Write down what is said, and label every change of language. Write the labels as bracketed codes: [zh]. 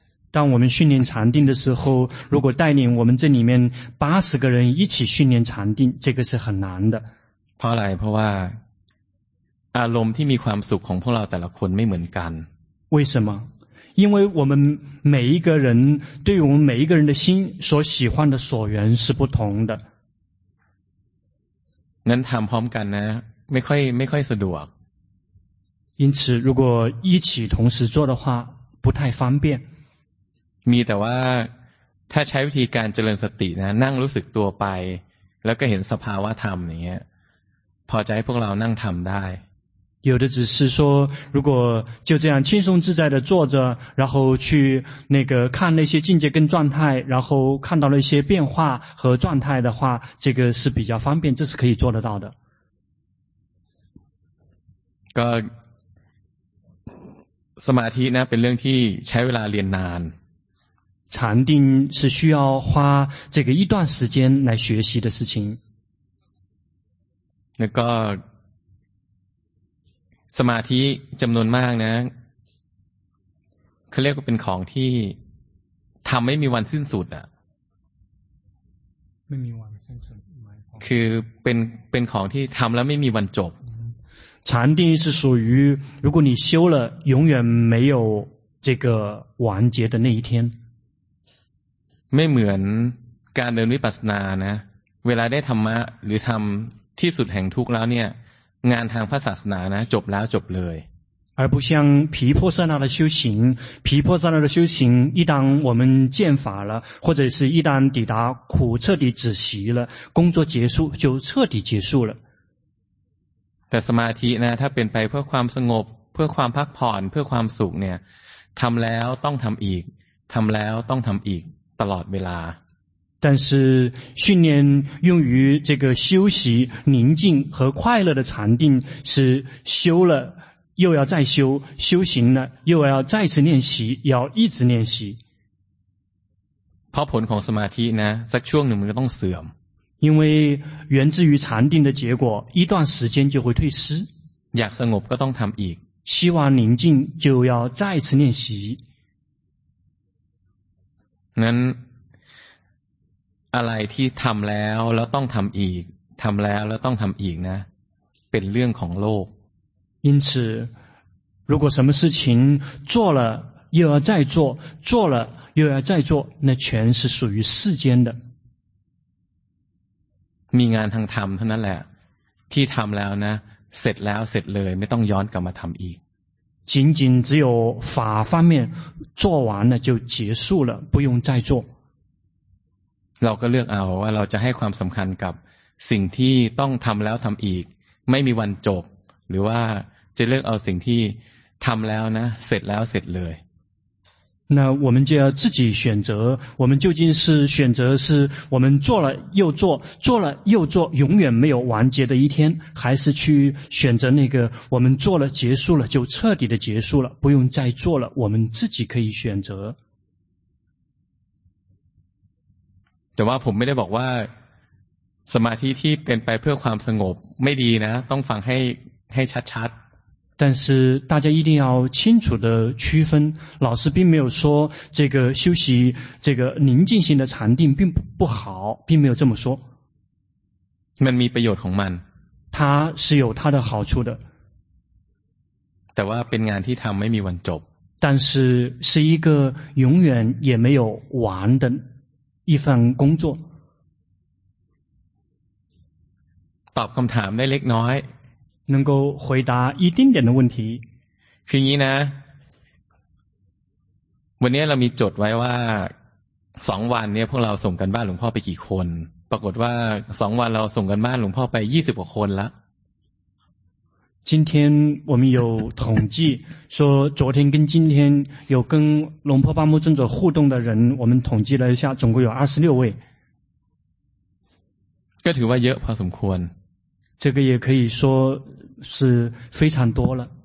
[zh] 当我们训练禅定的时候如果带领我们这里面80个人一起训练禅定这个是很难的 [th] เพราะอะไรเพราะว่าอารมณ์ที่มีความสุขของพวกเราแต่ละคนไม่เหมือนกัน [zh] 为什么因为我们每一个人对于我们每一个人的心所喜欢的所缘是不同的 [th] งั้นทำพร้อมกันนะไม่ค่อยสะดวก [zh] 因此如果一起同时做的话不太方便 [th] มีแต่ว่าถ้าใช้วิธีการเจริญสตินะนั่งรู้สึกตัวไปแล้วก็เห็นสภาวะธรรมอย่างเงี้ยพอจะให้พวกเรานั่งทำได้ [zh] 有的只是说如果就这样轻松自在的坐着然后去那个看那些境界跟状态然后看到了一些变化和状态的话这个是比较方便这是可以做得到的 [th] ก็สมาธินะเป็นเรื่องที่ใช้เวลาเรียนนาน [zh] 禅定是需要花这个一段时间来学习的事情。 [th] 那个สมาธิจำนวนมากนะเขาเรียกว่าเป็นของที่ทำไม่มีวันสิ้นสุดอ่ะ ไม่มีวันสิ้นสุด คือเป็นของที่ทำแล้วไม่มีวันจบ [zh] 禅定是属于如果你修了永远没有这个完结的那一天 [th] ไม่เหมือนการเดินวิปัสสนานะเวลาได้ธรรมะหรือทำที่สุดแห่งทุกข์แล้วเนี่ยงานทางพระศาสนานะจบแล้วจบเลย [zh] 而不像毗婆舍那的修行毗婆舍那的修行一旦我们见法了或者是一旦抵达苦彻底止息了工作结束就彻底结束了 [th] แต่สมาธินะถ้าเป็นไปเพื่อความสงบเพื่อความพักผ่อนเพื่อความสุขเนี่ยทำแล้วต้องทำอีกทำแล้วต้องทำอีกตลอดเวลา [zh] 但是训练用于这个休息宁静和快乐的禅定是修了又要再修修行了又要再次练习要一直练习 [th] เพราะผลของสมาธินะสักช่วงหนึ่งมันก็ต้องเสื่อม [zh] 因为源自于禅定的结果一段时间就会退失 [th] อยากสงบก็ต้องทำอีก [zh] 希望宁静就要再次练习 [th] งั้นอะไรที่ทำแล้วแล้วต้องทำอีกทำแล้วแล้วต้องทำอีกนะเป็นเรื่องของโลก [zh] 因此如果什么事情做了又要再做做了又要再做那全是属于世间的 [th] มีงานทางธรรมเท่านั้นแหละที่ทำแล้วนะเสร็จแล้วเสร็จเลยไม่ต้องย้อนกลับมาทำอีก [zh] 仅仅只有法方面做完了就结束了不用再做 [th] เราก็เลือกเอาว่าเราจะให้ความสำคัญกับสิ่งที่ต้องทำแล้วทำอีกไม่มีวันจบหรือว่าจะเลือกเอาสิ่งที่ทำแล้วนะเสร็จแล้วเสร็จเลย [zh] 那我们就要自己选择我们究竟是选择是我们做了又做做了又做永远没有完结的一天还是去选择那个我们做了结束了就彻底的结束了不用再做了我们自己可以选择 [th] แต่ว่าผมไม่ได้บอกว่าสมาธิที่เป็นไปเพื่อความสงบไม่ดีนะต้องฟังให้ชัดๆ [zh] 但是大家一定要清楚的区分老师并没有说这个休息这个宁静性的禅定并不好并没有这么说 [th] มันมีประโยชน์ของมัน [zh] 它是有它的好处的 [th] แต่ว่าเป็นงานที่ทำไม่มีวันจบ [zh] 但是是一个永远也没有完的一份工作 [th] ตอบคำถามได้เล็กน้อย [zh] 能够回答一丁点的问题 [th] คืออย่างนี้นะวันนี้เรามีจดไว้ว่า2วันเนี่ยพวกเราส่งกันบ้านหลวงพ่อไปกี่คนปรากฏว่า2วันเราส่งกันบ้านหลวงพ่อไป20กว่าคนละ [zh] 今天我们有统计说昨天跟今天有跟龙婆巴木尊者互动的人我们统计了一下总共有26位 [th] ถือว่าเยอะพอสมควร [zh] 这个也可以说是非常多了